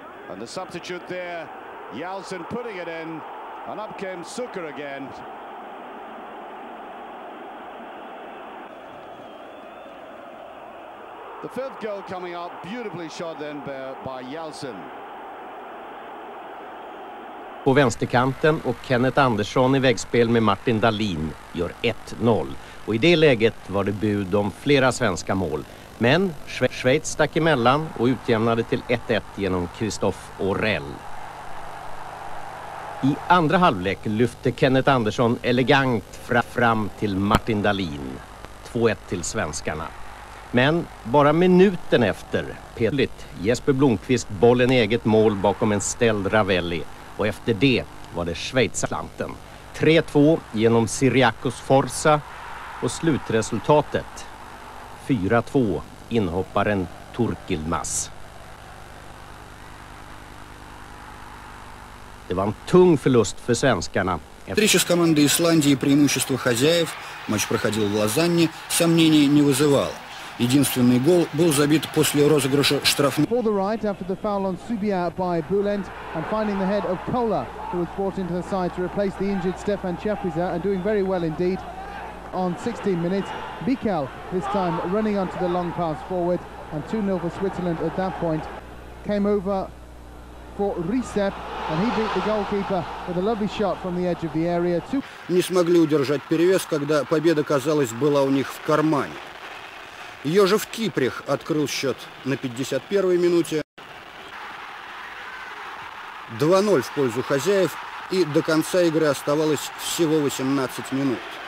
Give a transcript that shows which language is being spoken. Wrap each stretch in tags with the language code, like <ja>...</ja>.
<en>And the substitute there, Yalcin putting it in. And up came Şükür again. The fifth goal coming up, beautifully shot then by Yalcin.</en> <sv>På vänsterkanten och Kenneth Andersson I vägspel med Martin Dahlin gör 1-0. Och I det läget var det bud om flera svenska mål. Men Schweiz stack emellan och utjämnade till 1-1 genom Christophe Aurel. I andra halvlek lyfte Kenneth Andersson elegant fram till Martin Dahlin. 2-1 till svenskarna. Men bara minuten efter petligt Jesper Blomqvist bollen I eget mål bakom en ställd Ravelli. Och efter det var det Schweiz-slanten. 3-2 genom Siriakos Forza och slutresultatet. 4-2 inhopparen Turkilmas. Det var en tung förlust för svenskarna.</sv> <ru>Встреча с командой Исландии и преимущество хозяев. Матч проходил в Лозанне. Сомнений не вызывало. Единственный гол был забит после розыгрыша штрафной.</ru> <en>For the right, after the foul on Subia by Bulent and finding the head of Kola, who was brought into the side to replace the injured Stefan Chapuisat and doing very well indeed. On 16 minutes, Bikel this time running onto the long pass forward and 2-0 for Switzerland at that point. Came over for Ricep and he beat the goalkeeper with a lovely shot from the edge of the area.</en> <ru>Не смогли удержать перевес, когда победа, казалось, была у них в кармане. Йожеф Киприх открыл счет на 51-й минуте. 2-0 в пользу хозяев и до конца игры оставалось всего 18 минут.</ru>